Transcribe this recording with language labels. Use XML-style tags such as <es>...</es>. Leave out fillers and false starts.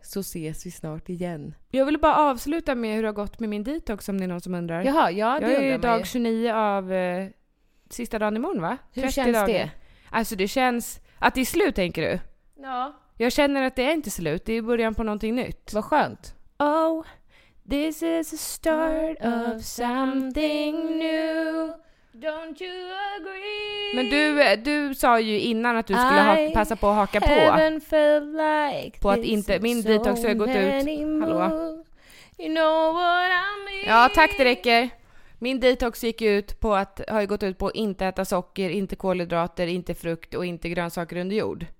<sv>Så ses vi snart igen. Jag vill bara avsluta med hur det har gått med min detox, om det är någon som undrar. Jaha, ja, det jag är ju dag 29 av sista dagen imorgon, va? Hur känns dagar. Det? Alltså det känns att det är slut, tänker du? Ja. Jag känner att det är inte slut, det är början på någonting nytt. Vad skönt.</sv> <en>Oh, this is the start of something new. Don't you agree?</en> <sv>Men du sa ju innan att du skulle passa på att haka på.</sv> <en>Like</en> <sv>på att inte min detox har gått ut. Hallå.</sv> <en>You know what I mean.</en> <sv>Ja, tack, det räcker. Min detox gick ut på att har ju gått ut på att inte äta socker, inte kolhydrater, inte frukt och inte grönsaker under jord.</sv>